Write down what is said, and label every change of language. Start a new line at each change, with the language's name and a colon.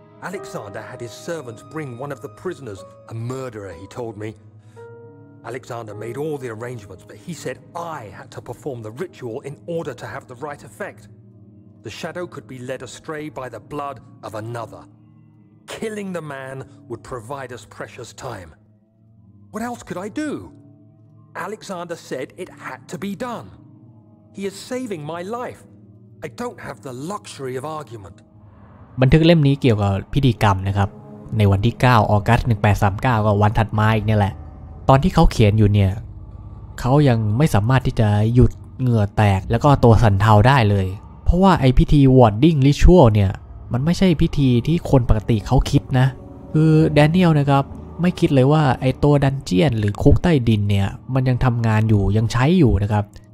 English: Alexander had his servants bring one of the prisoners a murderer he told me Alexander made all the arrangements but he said I had to perform the ritual in order to have the right effectThe shadow could be led astray by the blood of another. Killing the man would provide us precious time. What else could I do? Alexander said it had to be done. He is saving my life. I don't have the luxury of argument.
Thai: บันทึกเล่มนี้เกี่ยวกับพิธีกรรมนะครับในวันที่9ออกัสต์1839ก็วันถัดมาอีกเนี่ยแหละตอนที่เขาเขียนอยู่เนี่ยเขายังไม่สามารถที่จะหยุดเหงื่อแตกแล้วก็ตัวสั่นเทาได้เลยเพราะว่าไอ้พิธี Warding Ritual เนี่ยมันไม่ใช่พิธีที่คนปกติเขาคิดนะคือแดเนียลนะครับไม่คิดเลยว่าไอ้ตัวดันเจียนหรือคุกใต้ดินเนี่ยมันยังทำงานอยู่ยังใช้อยู่นะครับ